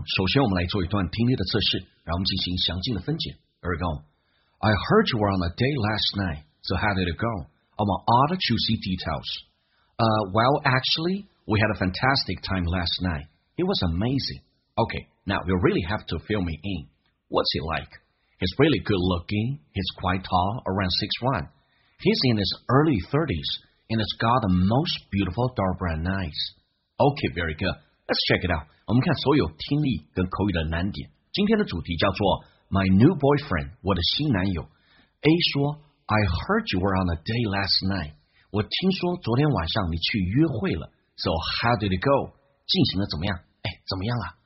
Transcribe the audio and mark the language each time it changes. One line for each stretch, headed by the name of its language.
Chinese: 首先我们来做一段听力的测试，然后我们进行详尽的分解。
English: Here we go. I heard you were on a date last night, so how did it go? I'm odd to see details. Well, actually, we had a fantastic time last night. It was amazing. Okay, now you really have to fill me in. What's he like? He's really good looking. He's quite tall, around 6'1". He's in his early 30s. And it's got the most beautiful dark brown eyes. Okay, very good. Let's check it out.
Chinese: 我们看所有听力跟口语的难点。今天的主题叫做
English: My new boyfriend,
Chinese: 我的新男友。 A 说
English: I heard you were on a date last night.
Chinese: 我听说昨天晚上你去约会了。
English: So how did it go?
Chinese: 进行的怎么样？哎，怎么样啊？